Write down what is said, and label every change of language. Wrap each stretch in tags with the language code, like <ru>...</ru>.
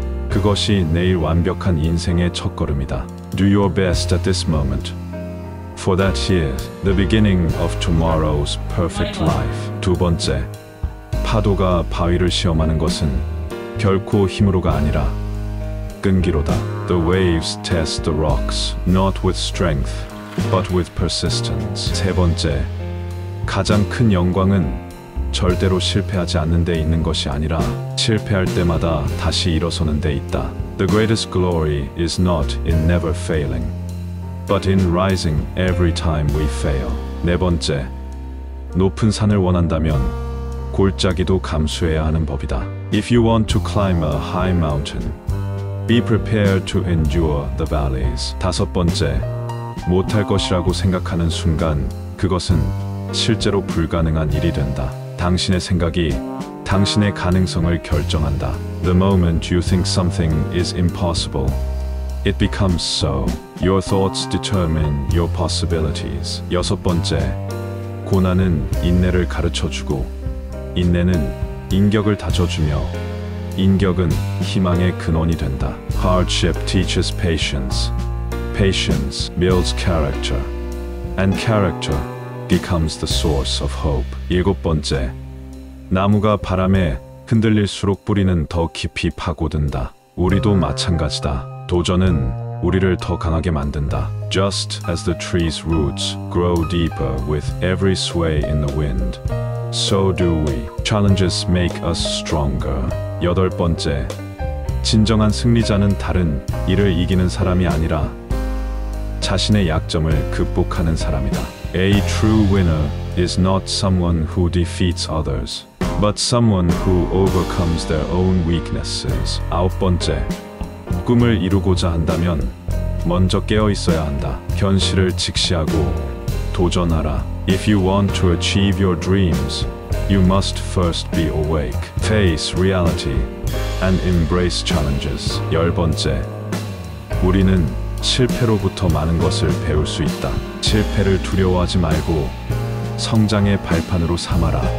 <ko>그것이 내일 완벽한 인생의 첫걸음이다.</ko> <en>Do your best at this moment. For that is the beginning of tomorrow's perfect life.</en> <ko>두 번째, 파도가 바위를 시험하는 것은 결코 힘으로가 아니라 끈기로다.</ko> <en>The waves test the rocks, not with strength, but with persistence.</en> <ko>세 번째, 가장 큰 영광은 절대로 실패하지 않는 데 있는 것이 아니라 실패할 때마다 다시 일어서는 데 있다.</ko> <en>The greatest glory is not in never failing, but in rising every time we fail.</en> <ko>네 번째, 높은 산을 원한다면 골짜기도 감수해야 하는 법이다.</ko> <en>If you want to climb a high mountain, be prepared to endure the valleys.</en> <ko>다섯 번째, 못할 것이라고 생각하는 순간 그것은 실제로 불가능한 일이 된다. 당신의 생각이 당신의 가능성을 결정한다.</ko> <en>The moment you think something is impossible, it becomes so. Your thoughts determine your possibilities.</en> <ko>여섯 번째, 고난은 인내를 가르쳐주고 인내는 인격을 다져주며 인격은 희망의 근원이 된다.</ko> <en>Hardship teaches patience. Patience builds character. And character becomes the source of hope.</en> <ko>일곱 번째, 나무가 바람에 흔들릴수록 뿌리는 더 깊이 파고든다. 우리도 마찬가지다. 도전은 우리를 더 강하게 만든다.</ko> <en>Just as the tree's roots grow deeper with every sway in the wind, so do we. Challenges make us stronger.</en> <ko>여덟 번째, 진정한 승리자는 다른 이를 이기는 사람이 아니라 자신의 약점을 극복하는 사람이다.</ko> <en>A true winner is not someone who defeats others, but someone who overcomes their own weaknesses.</en> <ko>아홉 번째, 꿈을 이루고자 한다면 먼저 깨어 있어야 한다. 현실을 직시하고 도전하라.</ko> <en>If you want to achieve your dreams, you must first be awake. Face reality and embrace challenges.</en> <ko>열 번째, 우리는 실패로부터 많은 것을 배울 수 있다. 실패를 두려워하지 말고 성장의 발판으로 삼아라.</ko>